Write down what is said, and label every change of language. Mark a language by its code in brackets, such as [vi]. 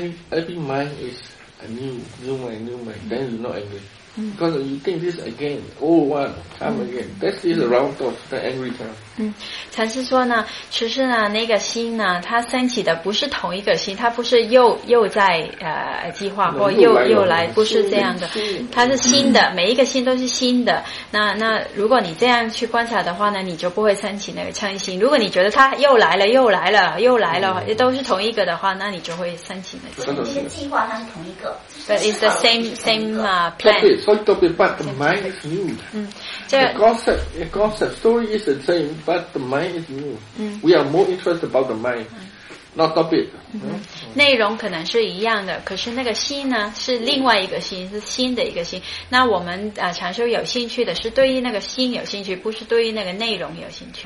[en] Every mind is a new mind, then you're not angry. Mm. Because you think this again, old one, come again. That's it, the round thought, the angry time. [zh] 禅师说呢，其实呢，那个心呢，它升起的不是同一个心，它不是又在计划或又来，不是这样的，它是新的，每一个心都是新的。那如果你这样去观察的话呢，你就不会升起那个嗔心。如果你觉得它又来了，都是同一个的话，那你就会升起那个嗔心。计划它是同一个 [en] ，But it's the same plan. But the mind is new. The concept story is the same. But the mind is new. We are more interested about the mind, not topic. [zh] 内容可能是一样的，可是那个心呢，是另外一个心，是新的一个心。那我们禅修有兴趣的是对于那个心有兴趣，不是对于那个内容有兴趣。